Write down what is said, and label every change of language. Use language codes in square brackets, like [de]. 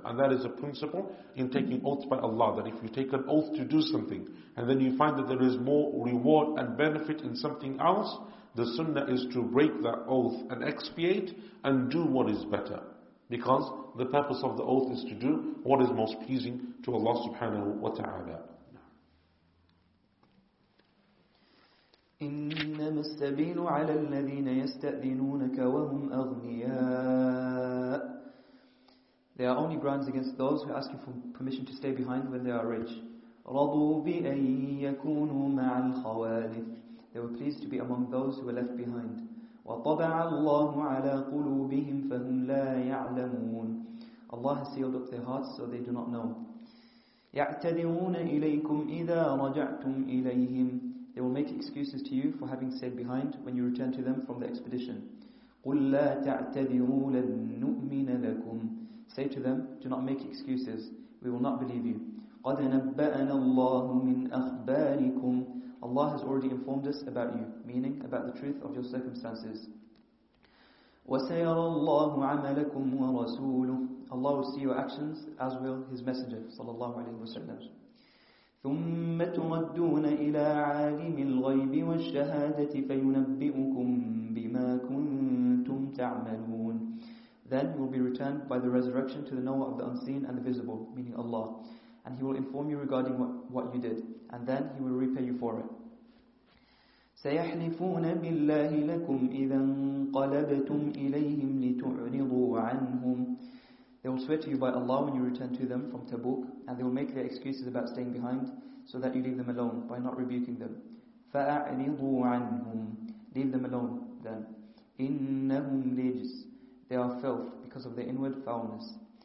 [en] And that is a principle in taking oaths by Allah, that if you take an oath to do something, and then you find that there is more reward and benefit in something else, the sunnah is to break that oath and expiate and do what is better. Because the purpose of the oath is to do what is most pleasing to Allah subhanahu wa ta'ala. [ar] إنما السبيل على الذين يستأذنونك وهم أغنياء. [en] There are only grounds against those who ask you for permission to stay behind when they are rich. [ar] رضوا بأن يكونوا مع الخوالف. [en] They were pleased to be among those who were left behind. [ar] وطبع الله على قلوبهم فهم لا يعلمون. [en] Allah has sealed up their hearts so they do not know. [ar] يعتذرون إليكم إذا رجعتم إليهم. [en] They will make excuses to you for having stayed behind when you return to them from the expedition. [ar] قُلْ لَا تَعْتَذِرُوا لَنْ نُؤْمِنَ لَكُمْ. [en] Say to them, do not make excuses. We will not believe you. [ar] قَدْ نَبَّأَنَا اللَّهُ مِنْ أَخْبَارِكُمْ. [en] Allah has already informed us about you, meaning about the truth of your circumstances. [ar] وَسَيَرَى اللَّهُ عَمَلَكُمْ وَرَسُولُهُ. [en] Allah will see your actions, as will His Messenger, صلى الله عليه وسلم. [ar] ثم تردون إلى عالم الغيب والشهادة فينبئكم بما كنتم تعملون. [en] Then you will be returned by the resurrection to the knower of the unseen and the visible, meaning Allah, and He will inform you regarding what you did, and then He will repay you for it. [ar] سيحلفون بالله لكم إذا انقلبتم إليهم لتعرضوا عنهم. [en] They will swear to you by Allah when you return to them from Tabuk, and they will make their excuses about staying behind so that you leave them alone by not rebuking them. [ar] فَأَعْرِضُوا عَنْهُمْ. [en] Leave them alone then. [ar] إِنَّهُمْ لِجْسٌ. [en] They are filth because of their inward foulness.